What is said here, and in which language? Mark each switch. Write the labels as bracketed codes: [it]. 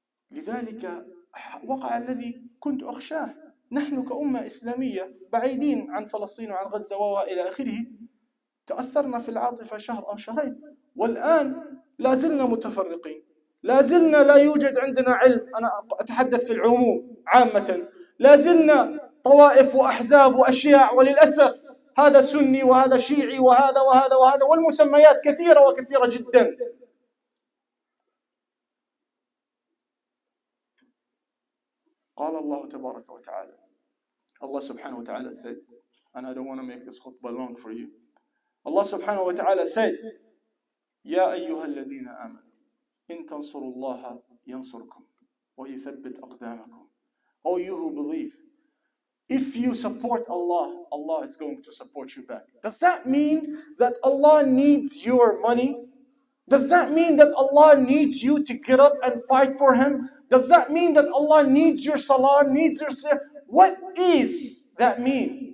[ar] لذلك وقع الذي كنت أخشاه، نحن كأمة إسلامية بعيدين عن فلسطين وعن غزة وإلى آخره، تأثرنا في العاطفة شهر أو شهرين، والآن لازلنا متفرقين، لازلنا لا يوجد عندنا علم، أنا أتحدث في العموم عامة، لازلنا طوائف وأحزاب وأشياء، وللأسف هذا سني وهذا شيعي وهذا وهذا وهذا، والمسميات كثيرة وكثيرة جدا. قال الله تبارك وتعالى، الله سبحانه وتعالى [en] said, and I don't want to make this خطبة long for you. [ar] الله سبحانه وتعالى [en] said, [ar] يا أيها الذين آمنوا إن تنصروا الله ينصركم ويثبت أقدامكم. [en] Oh you who believe, if you support Allah, Allah is going to support you back. Does that mean that Allah needs your money? Does that mean that Allah needs you to get up and fight for Him? Does that mean that Allah needs your salah, needs your sir? What is that mean?